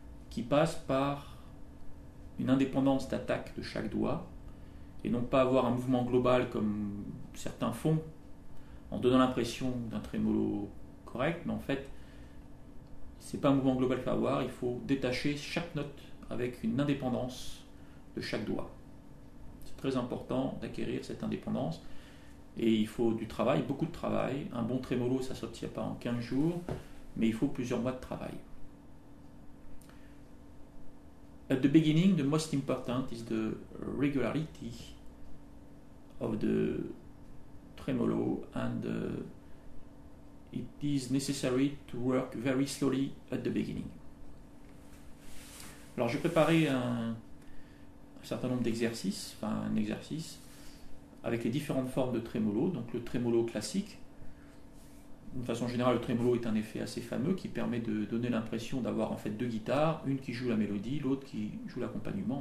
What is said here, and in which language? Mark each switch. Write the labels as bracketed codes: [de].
[fr] qui passe par une indépendance d'attaque de chaque doigt, et non pas avoir un mouvement global comme certains font, en donnant l'impression d'un trémolo correct, mais en fait, c'est pas un mouvement global qu'il faut avoir, il faut détacher chaque note avec une indépendance de chaque doigt. C'est très important d'acquérir cette indépendance et il faut du travail, beaucoup de travail. Un bon trémolo, ça ne s'obtient pas en 15 jours, mais il faut plusieurs mois de travail. [en] At the beginning, the most important is the regularity of the tremolo and it is necessary to work very slowly at the beginning. [fr] Alors j'ai préparé un certain nombre d'exercices, enfin un exercice avec les différentes formes de trémolo, donc le trémolo classique. D'une façon générale, le trémolo est un effet assez fameux qui permet de donner l'impression d'avoir en fait deux guitares, une qui joue la mélodie, l'autre qui joue l'accompagnement.